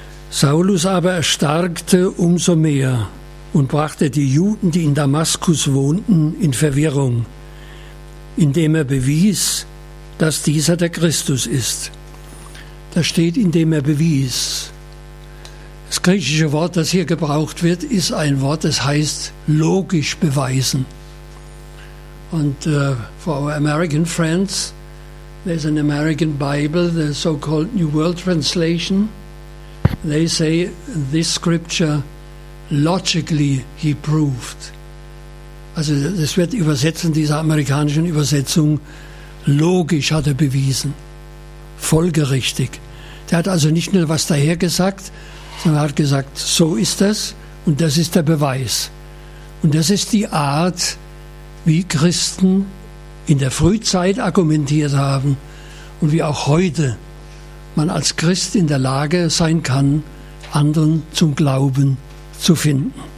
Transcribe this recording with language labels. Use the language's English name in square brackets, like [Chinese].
[German] Saulus aber erstarkte umso mehr und brachte die Juden, die in Damaskus wohnten, in Verwirrung, indem er bewies, dass dieser der Christus ist. Da steht, indem er bewies. Das griechische Wort, das hier gebraucht wird, ist ein Wort, das heißt logisch beweisen. [English] Und for our American friends, there's an American Bible, the so-called New World Translation. They say this scripture logically he proved. [German] Also das wird übersetzt in dieser amerikanischen Übersetzung. Logisch hat er bewiesen. Folgerichtig. Der hat also nicht nur was daher gesagt, sondern hat gesagt, so ist das Und das ist der Beweis. Und das ist die Art, wie Christen in der Frühzeit argumentiert haben und wie auch heute man als Christ in der Lage sein kann, anderen zum Glauben zu finden.